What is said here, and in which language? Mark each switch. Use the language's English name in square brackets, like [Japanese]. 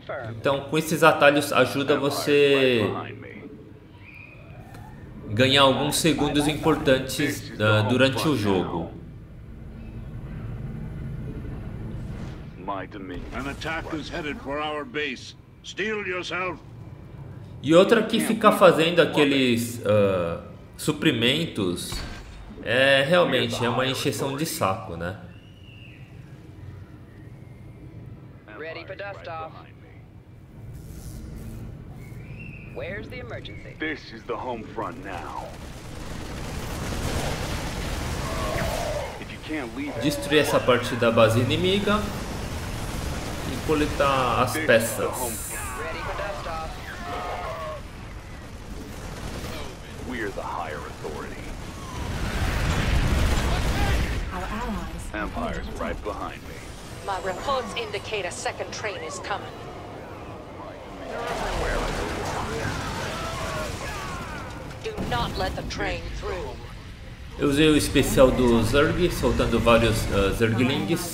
[Portuguese] Então com esses atalhos ajuda você ganhar alguns segundos importantes durante o jogo. [English] An attack is headed for our base. Steal yourself. [Portuguese] E outra que fica fazendo aqueles suprimentos é realmente é uma encheção de saco, né? [English] Ready for dust off. Where's the emergency? This is the home front now. If you can't leave, [Portuguese] destruir essa parte da base inimiga. Coletar as peças. [English] We're the higher authority. Empire's right behind me. My reports indicate a second train is coming. Do not let the train through. [Portuguese] Eu usei o especial do Zerg, soltando vários Zerglings.